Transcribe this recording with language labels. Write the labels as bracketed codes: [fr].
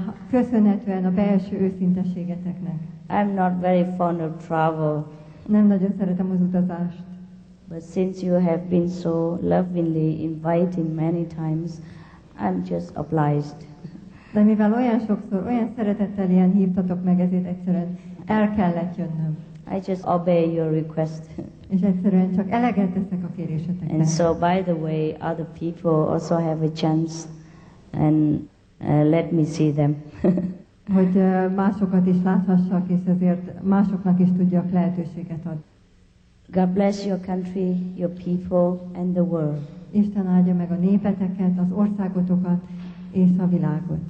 [hu] Köszönhetően a belső őszinteségeteknek. [en] I'm not very fond of travel. [hu] Nem nagyon szeretem az utazást. [en] But since you have been so lovingly inviting many times, I'm just obliged. [hu] De mivel olyan sokszor, olyan szeretettel ilyen hívtatok meg, ezért egyszerűen el kellett jönnöm. [en] I just obey your request. [hu] És egyszerűen csak eleget teszek a kéréseteknek. [en] And so, by the way, other people also have a chance and let me see them. [hu] Hogy másokat is láthassak, és ezért másoknak is tudjak lehetőséget adni. [en] God bless your country, your people and the world. [hu] Isten áldja meg a népeteket, az országotokat és a világot.